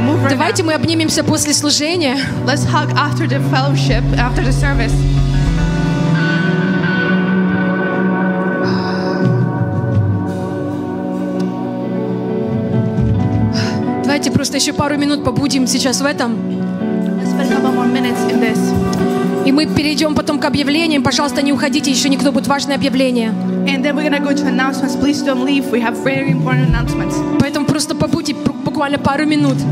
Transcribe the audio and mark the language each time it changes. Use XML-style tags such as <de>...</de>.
<ru>Давайте мы обнимемся после служения.</ru> <en>Let's hug after the fellowship, after the service.</en> <ru>Давайте просто еще пару минут побудем сейчас в этом.</ru> <en>Let's spend a couple more minutes in this.</en> <ru>И мы перейдем потом к объявлениям. Пожалуйста, не уходите, еще никто будет важное объявление.</ru> <en>And then we're gonna go to announcements. Please don't leave. We have very important announcements.</en> <ru>Поэтому просто побудьте буквально пару минут.</ru>